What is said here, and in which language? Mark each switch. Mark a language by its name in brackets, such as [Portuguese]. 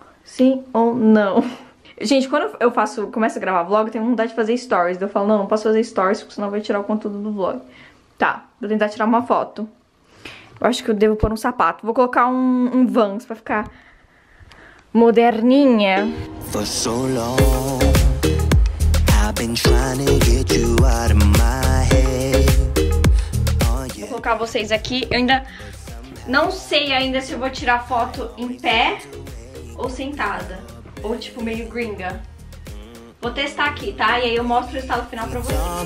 [Portuguese] Sim ou não? Gente, quando eu faço, começo a gravar vlog, eu tenho vontade de fazer stories. Eu falo, não, não posso fazer stories, porque senão vai tirar o conteúdo do vlog. Tá, vou tentar tirar uma foto. Eu acho que eu devo pôr um sapato. Vou colocar um Vans pra ficar moderninha. [English] For so long, I've been trying to get you out of my head. [Portuguese] Oh, yeah. Vou colocar vocês aqui. Eu ainda não sei ainda se eu vou tirar foto em pé ou sentada. Ou tipo meio gringa. Vou testar aqui, tá? E aí eu mostro o resultado final pra vocês.